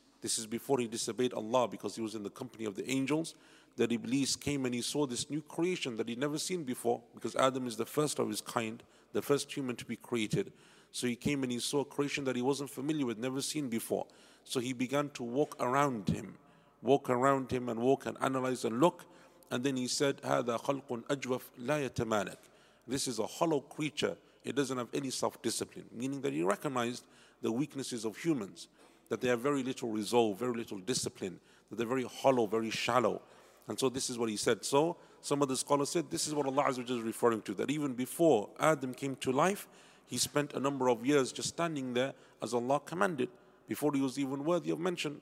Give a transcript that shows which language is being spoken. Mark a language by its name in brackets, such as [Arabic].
[English] This is before he disobeyed Allah, because he was in the company of the angels, that Iblis came and he saw this new creation that he'd never seen before, because Adam is the first of his kind, the first human to be created. So he came and he saw a creation that he wasn't familiar with, never seen before. So he began to walk around him and walk and analyze and look. And then he said, [Arabic] هَذَا خَلْقٌ أَجْوَفْ لَا يَتَمَالَكَ. [English] This is a hollow creature. It doesn't have any self-discipline. Meaning that he recognized the weaknesses of humans, that they have very little resolve, very little discipline, that they're very hollow, very shallow. And so this is what he said. So some of the scholars said, this is what Allah Azza wa Jalla is referring to, that even before Adam came to life, he spent a number of years just standing there as Allah commanded, before he was even worthy of mention.